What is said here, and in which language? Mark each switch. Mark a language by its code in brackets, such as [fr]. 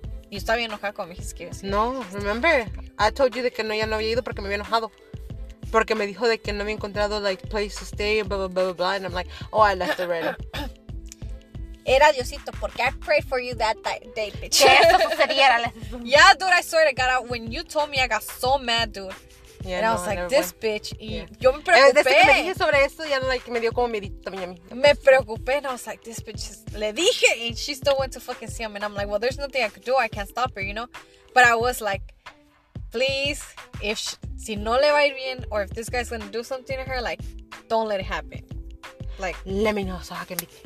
[es] Y estaba bien enojada cuando me dijiste que ibas. [en] No, remember? I told you [es] de que no, ya no había ido porque me había enojado. Porque me dijo de que no había encontrado [en] like place to stay, [es] blah blah blah blah blah. [en] And I'm like, oh, I left already. [es] Era Diosito, porque [en] I prayed for you that day, bitch. [es] Que eso sucediera. [en] Yeah, dude, I swear to God, when you told me, I got so mad, dude. Yeah, and no, I was no, like, no, this bitch. [es] Y yeah. Yo me preocupé. Desde que me dije sobre eso, ya no, like, me dio como miedo también a mí. [en] Me preocupé, and I was like, this bitch. [es] Le dije, [en] and she still went to fucking see him. And I'm like, well, there's nothing I could do. I can't stop her, you know? But I was like, please, if she, [es] si no le va a ir bien, [en] or if this guy's gonna do something to her, like, don't let it happen. Like, let me know so I can be.